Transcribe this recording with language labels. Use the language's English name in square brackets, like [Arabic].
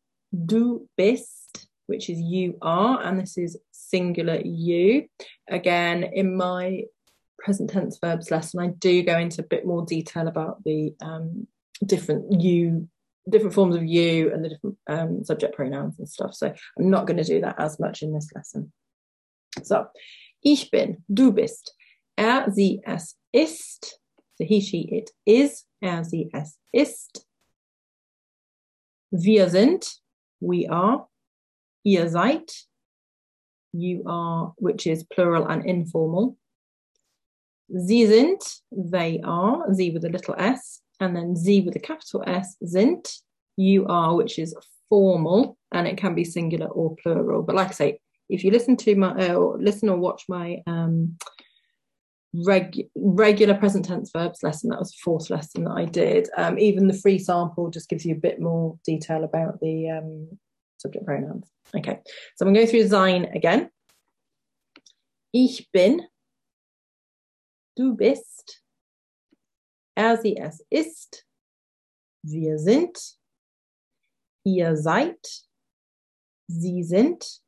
[German] Du bist, [English] which is you are, and this is singular you. Again, in my present tense verbs lesson, I do go into a bit more detail about the different you, different forms of you and the different subject pronouns and stuff. So I'm not going to do that as much in this lesson. [German] So ich bin, du bist, sie, es ist, [English] so he, she, it is, [German] sie, es ist. Wir sind, [English] we are, [German] ihr seid, [English] you are, which is plural and informal. [German] Sie sind, [English] they are, sie with a little s, and then sie with a capital S, [German] sind, [English] you are, which is formal, and it can be singular or plural. But like I say, if you listen to my or listen or watch my regular present tense verbs lesson, that was the fourth lesson that I did. Even the free sample just gives you a bit more detail about the subject pronouns. Okay, so I'm going through sein again. [German] Ich bin, du bist, sie, es ist, wir sind, ihr seid, sie sind.